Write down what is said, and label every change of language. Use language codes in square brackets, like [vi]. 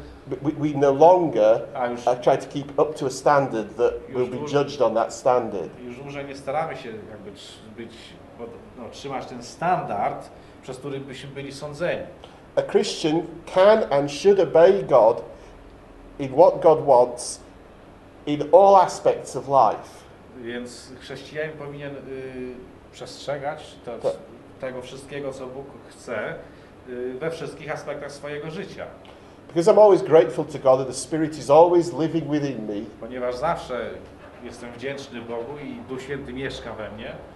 [en] We no longer try to keep up to a standard that will be judged on that standard. [pl] Już dłużej nie staramy się jakby być, no, trzymać ten standard, przez który byśmy byli sądzeni. [en] A Christian can and should obey God in what God wants in all aspects of life. [pl] Więc chrześcijanin powinien przestrzegać to, tego wszystkiego, co Bóg chce we wszystkich aspektach swojego życia. [en] Because I'm always grateful to God that the Spirit is always living within me. [pl] Ponieważ zawsze jestem wdzięczny Bogu i Duch Święty mieszka we mnie.